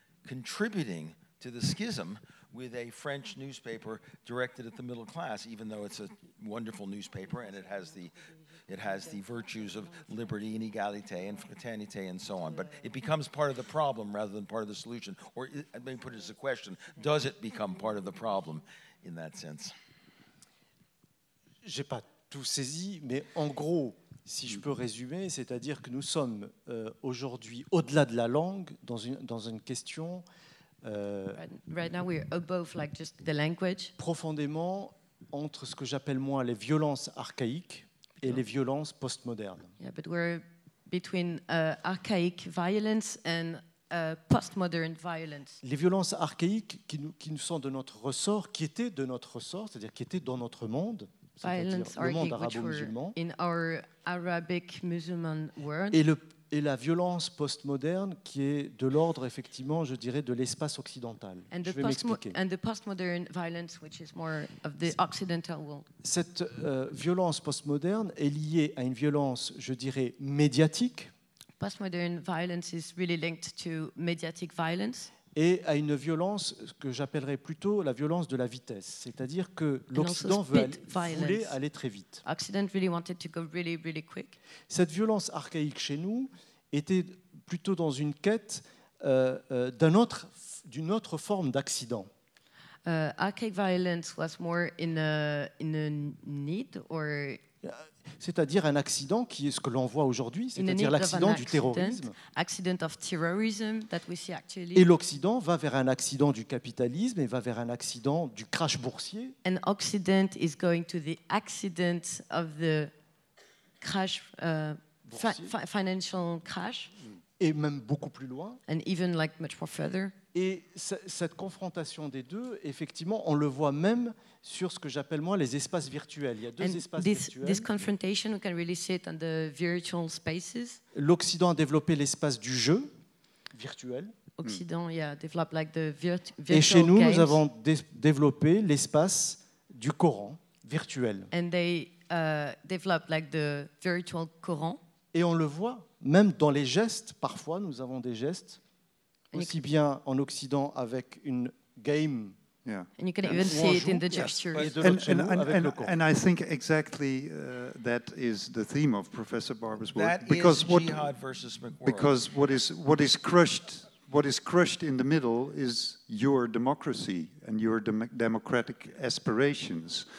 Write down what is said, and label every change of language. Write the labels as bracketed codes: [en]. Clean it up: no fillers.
[en] contributing to the schism with a French newspaper directed at the middle class, even though it's a wonderful newspaper and it has the virtues of liberty and égalité and fraternité and so on. But it becomes part of the problem rather than part of the solution. Or let me put it as a question, does it become part of the problem in that sense? [fr] J'ai pas tout saisi, mais en gros, si je peux résumer, c'est-à-dire que nous sommes aujourd'hui, au-delà de la langue, dans une question [en] Right now we're above like just the language. [fr] Profondément entre ce que j'appelle moi les violences archaïques et les violences postmodernes. [en] Yeah, but we're between archaic violence and post-modern violence. [fr] Les violences archaïques qui nous sont de notre ressort, qui étaient de notre ressort, c'est-à-dire qui étaient dans notre monde, c'est-à-dire le monde arabo-musulman. [en] In our Arabic Muslim world. [fr] Et la violence post-moderne qui est de l'ordre, effectivement, je dirais, de l'espace occidental. [en] And [fr] je vais m'expliquer. [en] And the post-modern violence, which is more of the occidental world. [fr] Cette violence post-moderne est liée à une violence, je dirais, médiatique. [en] Post-modern violence is really linked to mediatic violence. [fr] Et à une violence que j'appellerais plutôt la violence de la vitesse, c'est-à-dire que l'Occident voulait aller très vite. [en] Occident really wanted to go really, really quick. [fr] Cette violence archaïque chez nous était plutôt dans une quête d'une autre forme d'accident. [en] Archaic violence was more in a need or. [fr] C'est-à-dire un accident qui est ce que l'on voit aujourd'hui, c'est-à-dire l'accident du terrorisme. [en] Accident of terrorism that we see actually. [fr] Et l'Occident va vers un accident du capitalisme et va vers un accident du crash boursier. [en] And Occident is going to the accident of the crash, financial crash. [fr] Et même beaucoup plus loin. [en] And even like much more further. [fr] Et cette confrontation des deux, effectivement, on le voit même sur ce que j'appelle moi les espaces virtuels. Il y a deux espaces virtuels. [en] This confrontation, we can really see it on the virtual spaces. [fr] L'Occident a développé l'espace du jeu virtuel. [en] Occident, yeah, developed like the virtual [fr] games. Et chez nous, nous avons développé l'espace du Coran virtuel. [en] And they developed like the virtual Coran. [fr] Et on le voit même dans les gestes. Parfois, nous avons des gestes aussi bien en Occident avec une game. [en] Yeah. And you can even see it in the gestures. And I think exactly that is the theme of Professor Barber's work. That because is what, jihad versus McWorld. Because what is crushed in the middle is your democracy and your democratic aspirations.